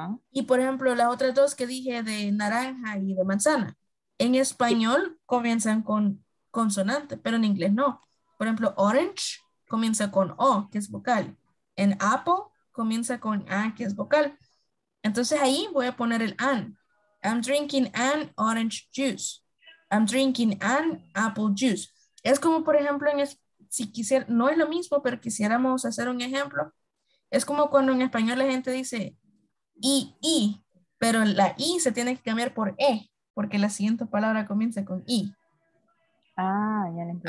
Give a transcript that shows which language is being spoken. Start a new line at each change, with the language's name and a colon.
Spanish: Y por ejemplo, las otras dos que dije de naranja y de manzana, en español comienzan con consonante, pero en inglés no. Por ejemplo, orange comienza con O, que es vocal. En apple comienza con A, que es vocal. Entonces ahí voy a poner el an.
English: I'm drinking an orange juice. I'm drinking an apple juice.
Spanish: Es como, por ejemplo, no es lo mismo, pero quisiéramos hacer un ejemplo. Es como cuando en español la gente dice I, pero la I se tiene que cambiar por E, porque la siguiente palabra comienza con I. Ah, ya lo entendí.